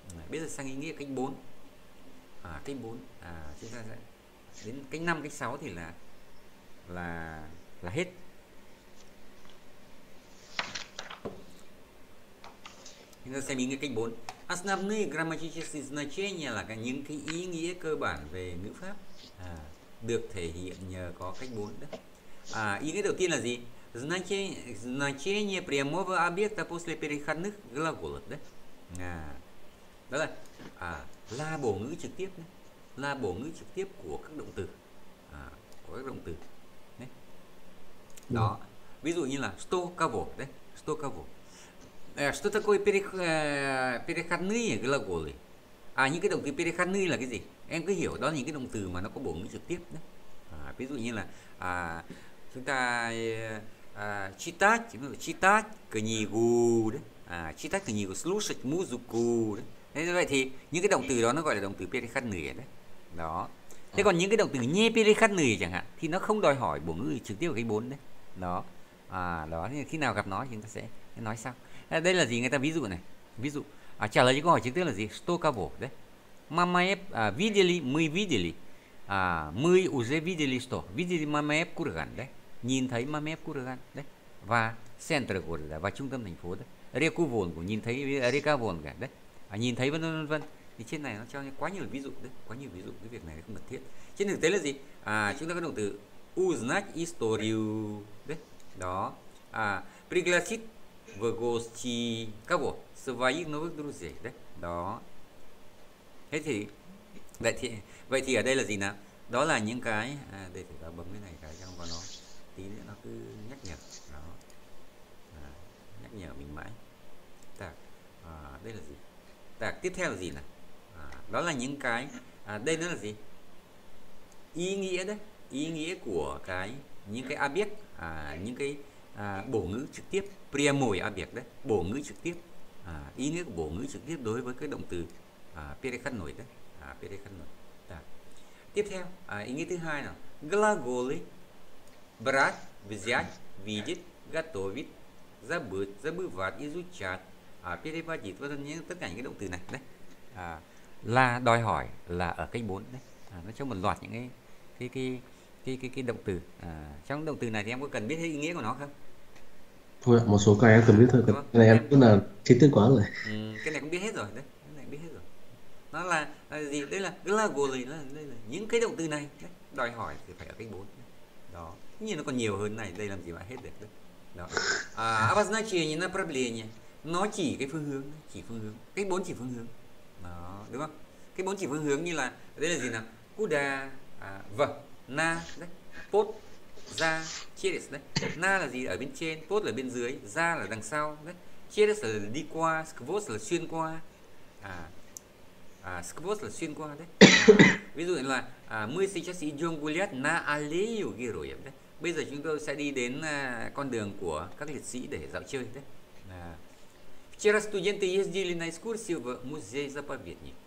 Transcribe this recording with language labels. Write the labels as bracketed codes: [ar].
[vi] Bây giờ sang ý nghĩa cách 4. Cách 4 chúng ta sẽ đến cách 5, cách 6 thì là hết. Chúng ta xem ý nghĩa cách 4. [ru] Основные грамматические значения [vi] là cái những cái ý nghĩa cơ bản về ngữ pháp được thể hiện nhờ có cách 4 đó. Ý nghĩa đầu tiên là gì? [ru] Значение прямого объекта после переходных глаголов, да? [vi] Đó là là bổ ngữ trực tiếp, đấy. Là bổ ngữ trực tiếp của các động từ, của các động từ, đấy. Đó. Ví dụ như là [ru] что кого, [vi] đấy, что кого. [ru] Что такое переходные глаголы? [vi] Những cái động từ переходные là cái gì? Em cứ hiểu đó là những cái động từ mà nó có bổ ngữ trực tiếp, đấy. Ví dụ như là chúng ta [ru] читать книгу, слушать музыку, [vi] đấy. Thế như vậy thì những cái động từ đó nó gọi là động từ переходные đấy. Đó. Thế còn những cái động từ не переходные chẳng hạn thì nó không đòi hỏi bổ ngữ trực tiếp ở cái 4 đấy. Đó. Đó thì khi nào gặp nó thì chúng ta sẽ nói sau. Đây là gì, người ta ví dụ này. Ví dụ trả lời những câu hỏi trực tiếp là gì? [ru] Что кого, đấy. Мама видели, мы видели. Мы уже видели что? Видели мама курган, đấy. [vi] Nhìn thấy mama курган, đấy. Và [ru] центр города, [vi] và trung tâm thành phố đấy. [ru] Реку Волгу, [vi] nhìn thấy [ru] река Волга, đấy. [vi] Nhìn thấy vân vân vân, thì trên này nó cho quá nhiều ví dụ đấy, quá nhiều ví dụ, cái việc này không cần thiết. Trên thực tế là gì? Chúng ta có động từ [ru] узнать историю [vi] đấy, đó. [ru] Пригласить в гости кого? Своих новых друзей đấy, đó. [vi] Thế thì vậy thì ở đây là gì nào? Đó là những cái để chúng ta bấm cái này cái trong vào nó tí nữa nó cứ nhắc nhở đó. Nhắc nhở mình mãi. Đây là gì? Đặc, tiếp theo là gì nào? Đó là những cái đây nó là gì? Ý nghĩa đấy, ý nghĩa của cái những cái abiec những cái bổ ngữ trực tiếp, прямой abiec đấy, bổ ngữ trực tiếp. Ý nghĩa của bổ ngữ trực tiếp đối với cái động từ переходной đấy, переходной. Tiếp theo, ý nghĩa thứ hai nào? [ru] Глаголы брать, взять, видеть, готовить, забыть, забывать, изучать. [vi] Переводить tất cả những cái động từ này đấy là đòi hỏi là ở cách 4 đấy, nó trong một loạt những cái động từ. Trong động từ này thì em có cần biết hết ý nghĩa của nó không? Thôi, một số cái em cần biết thôi, cái này em cứ là kiến thức quá rồi. Cái này cũng biết hết rồi đấy, cái này biết hết rồi. Nó là gì? Đây là глаголы, là đây là những cái động từ này đấy, đòi hỏi thì phải ở cách 4 đó. Nhưng nó còn nhiều hơn này, đây làm gì mà hết được đấy. Đó. [ru] Обозначение направления. [vi] Nó chỉ cái phương hướng, chỉ phương hướng, cái bốn chỉ phương hướng, đó, đúng không? Cái bốn chỉ phương hướng như là đây là gì nào? [ru] Куда, ВА, НА, đấy, ПОТ, ЗА, ЧЕРЕС, đấy. [vi] НА là gì? Ở bên trên, ПОТ là bên dưới, ЗА là đằng sau, đấy. ЧЕРЕС là đi qua, СКВОЗ là xuyên qua, СКВОЗ là xuyên qua đấy. [ru] Ví dụ như là МЫ СЕЙЧАС ИДЁМ ГУЛЯТЬ НА АЛЛЕЮ ГЕРОЯВ, đấy. [vi] Bây giờ chúng tôi sẽ đi đến con đường của các liệt sĩ để dạo chơi đấy. [ru] Вчера студенты ездили на экскурсию в музей-заповедник.